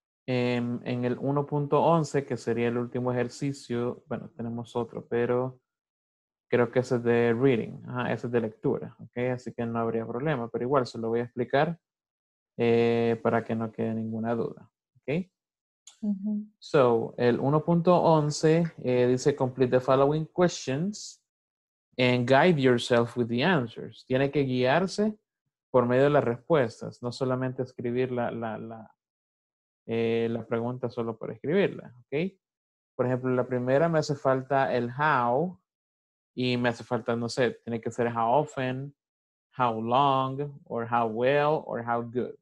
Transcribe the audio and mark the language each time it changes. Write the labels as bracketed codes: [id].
[es] En el 1.11, que sería el último ejercicio, bueno, tenemos otro, pero creo que ese es de reading. Ajá, ese es de lectura, ¿ok? Así que no habría problema, pero igual se lo voy a explicar para que no quede ninguna duda, ¿ok? Uh-huh. [en] So, [es] el 1.11 dice [en] complete the following questions and guide yourself with the answers. [es] Tiene que guiarse por medio de las respuestas, no solamente escribir la pregunta solo por escribirla, ¿ok? Por ejemplo, la primera me hace falta el how y me hace falta, no sé, tiene que ser how often, how long, or how well, or how good.